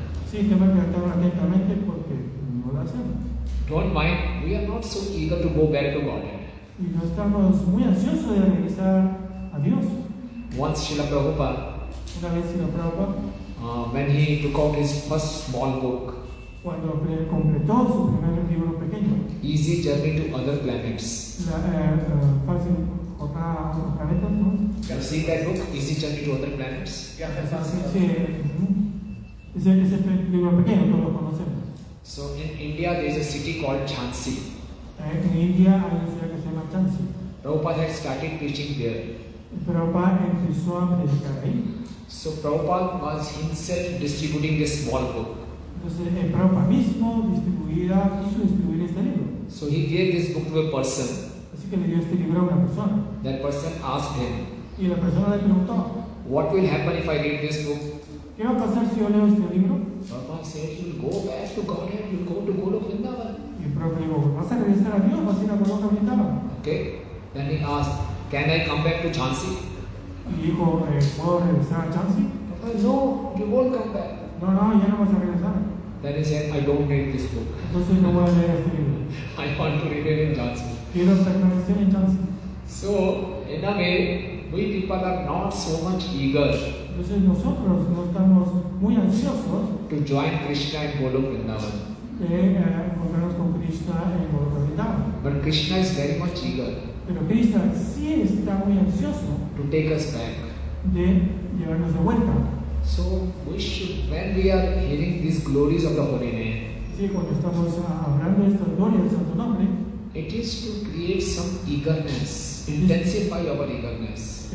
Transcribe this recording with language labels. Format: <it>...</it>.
<es>Sí, tenemos que estar atentamente porque no lo hacemos.</es> <en>Don't mind, we are not so eager to go back to Godhead.</en> <es>Y no estamos muy ansiosos de regresar a Dios.</es> <en>Once Srila Prabhupada,</en> <es>una vez Srila Prabhupada,</es> <en>when he took out his first small book,</en> <es>cuando completó su primer libro pequeño,</es> <en>Easy Journey to Other Planets.</en> <es>Fácil jornada a otros planetas, ¿no? ¿Has visto ese libro, Easy Journey to Other Planets? Sí. Ese libro pequeño, todos lo conocemos.</es> <en>So in India there is a city called Jhansi.</en> <es>En India hay una ciudad que se llama Jhansi.</es> <en>Prabhupada had started preaching there.</en> <es>Prabhupada empezó a predicar ahí.</es> <en>So Prabhupada was himself distributing this small book.</en> <es>Entonces el Prabhupada mismo distribuía este libro.</es> <en>So he gave this book to a person.</en> <es>Así que le dio este libro a una persona.</es> <en>That person asked him.</en> <es>Y la persona le preguntó,</es> <en>what will happen if I read this book?</en> <es>¿Qué va a pasar si yo leo este libro?</es> <en>Papa says you'll go back to Godhead, you'll go to Goloka Vrindavan.</en> <es>Y el Prabhu dijo, ¿vas a regresar a Dios? ¿Vas a ir a Goloka Vrindavan?</es> <en>Okay. Then he asked, can I come back to Chansi?</en> <es>Y dijo, ¿puedo regresar a Chansi?</es> <en>Papa, no, you won't come back.</en> <es>No, no, ya no vas a regresar.</es> <en>Then he said, I don't read this book.</en> <es>Entonces no voy a leer este libro.</es> <en>I want to read it in Chansi.</en> <es>Quiero permanecer en Chansi.</es> <en>So, in a way, we people are not so much eager.</en> <es>Entonces nosotros no estamos muy ansiosos</es> <en>to join Krishna in Goloka Vrindavan.</en> <es>Encontrarnos con Krishna en Goloka Vrindavan.</es> <en>But Krishna is very much eager.</en> <es>Pero Krishna sí está muy ansioso</es> <en>to take us back.</en> <es>De llevarnos de vuelta.</es> <en>So we should, when we are hearing these glories of the Holy Name,</en> <es>sí, cuando estamos hablando de esta gloria del Santo Nombre,</es> <en>it is to create some eagerness, intensify our eagerness.</en>